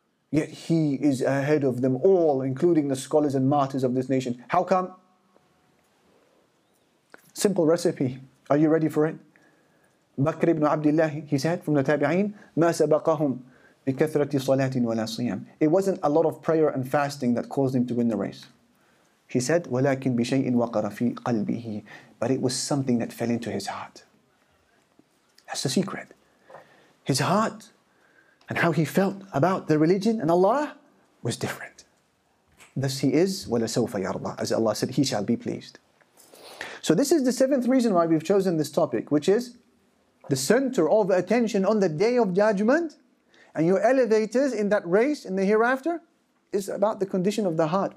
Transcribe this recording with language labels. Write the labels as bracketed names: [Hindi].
[English] Yet he is ahead of them all, including the scholars and martyrs of this nation. How come? Simple recipe. Are you ready for it? Bakr ibn Abdullah, he said from the Tabi'een, [Arabic] مَا سَبَقَهُمْ بِكَثْرَةِ صَلَاةٍ وَلَا صِيَامٍ. [English] It wasn't a lot of prayer and fasting that caused him to win the race. He said, [Arabic] وَلَكِنْ بِشَيْءٍ وَقَرَ فِي قَلْبِهِ. [English] But it was something that fell into his heart. That's the secret. His heart and how he felt about the religion and Allah was different. Thus he is, [Arabic] وَلَسَوْفَ يَرْضَى, [English] as Allah said, he shall be pleased. So this is the seventh reason why we've chosen this topic, which is the center of attention on the Day of Judgment and your elevators in that race in the hereafter is about the condition of the heart.